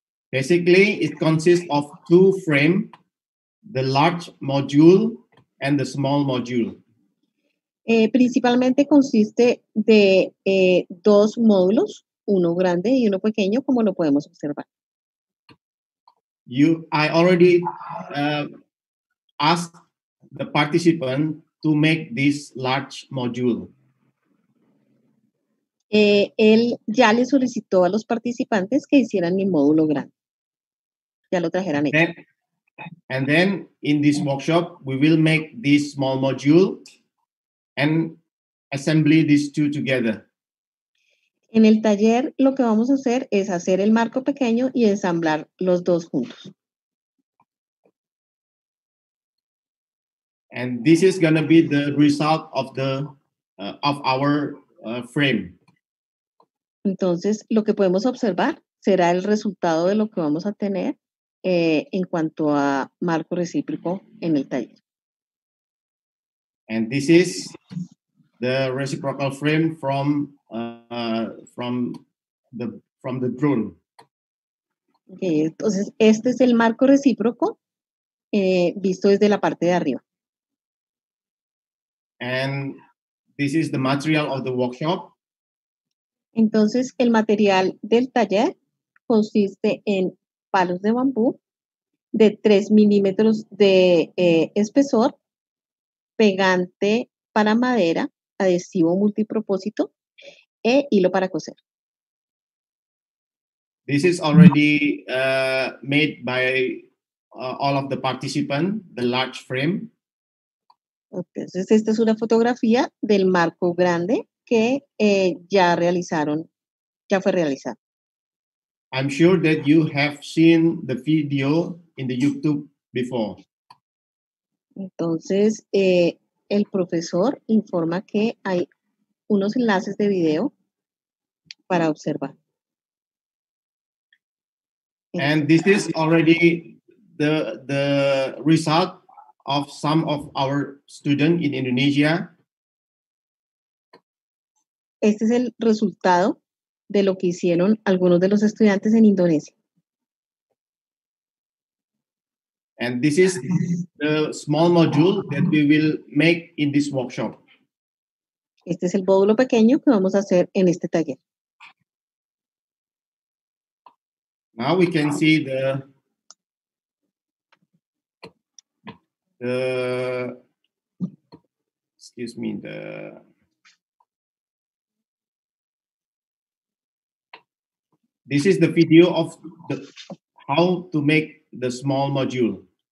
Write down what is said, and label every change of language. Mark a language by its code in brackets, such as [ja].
[en] Basically, it consists of two frames, the large module and the small module. [es] Principalmente consiste de dos módulos, uno grande y uno pequeño, como lo podemos observar. [en] I already asked the participant to make this large module. [es] Él ya le solicitó a los participantes que hicieran mi módulo grande. Ya lo trajeran hecho. [en] And then in this workshop, we will make this small module and assembly these two together. [es] En el taller, lo que vamos a hacer es hacer el marco pequeño y ensamblar los dos juntos. [en] And this is going to be the result of the of our frame. [es] Entonces, lo que podemos observar será el resultado de lo que vamos a tener en cuanto a marco recíproco en el taller. [en] And this is the reciprocal frame from from the drone. [es] Okay, entonces este es el marco recíproco visto desde la parte de arriba. [en] And this is the material of the workshop. [es] Entonces el material del taller consiste en palos de bambú de 3 milímetros de espesor, pegante para madera, adhesivo multipropósito e hilo para coser. [en] This is already made by all of the participants, the large frame. [es] Entonces, esta es una fotografía del marco grande que ya fue realizado. [en] I'm sure that you have seen the video in the YouTube before. [es] Entonces, el profesor informa que hay unos enlaces de video para observar. [en] And this is already the result of some of our students in Indonesia. [es] Este es el resultado de lo que hicieron algunos de los estudiantes en Indonesia. [en] And this is the small module that we will make in this workshop. [es] Este es el módulo pequeño que vamos a hacer en este taller. [en] Now we can see the this is the video of how to make the small module.